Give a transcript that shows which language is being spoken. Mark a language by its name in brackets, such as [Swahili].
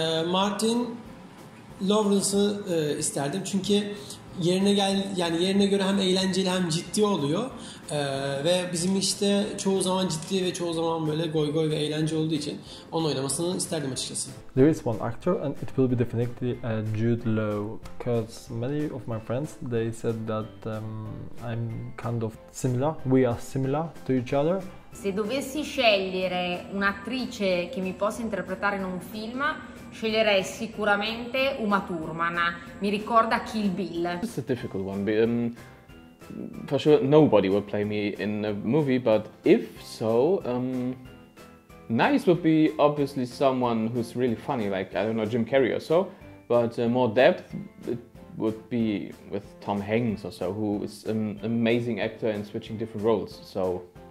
[Turkish] Martin Lawrence'ı isterdim çünkü yerine göre hem eğlenceli hem ciddi oluyor. Ve bizim işte çoğu zaman ciddi ve çoğu zaman böyle goy goy ve eğlence olduğu için onun oynamasını isterdim açıkçası. [English] There is one actor and it will be definitely Jude Law, because many of my friends, they said that I'm kind of similar, we are similar to each other. [Italian] Se dovessi scegliere un'attrice che mi possa interpretare in un film, sceglierei sicuramente Uma Thurman. Mi ricorda Kill Bill. [English] It's a difficult one, but for sure nobody would play me in a movie, but if so, nice would be obviously someone who's really funny, like, I don't know, Jim Carrey or so, but more depth it would be with Tom Hanks or so, who is an amazing actor in switching different roles, so...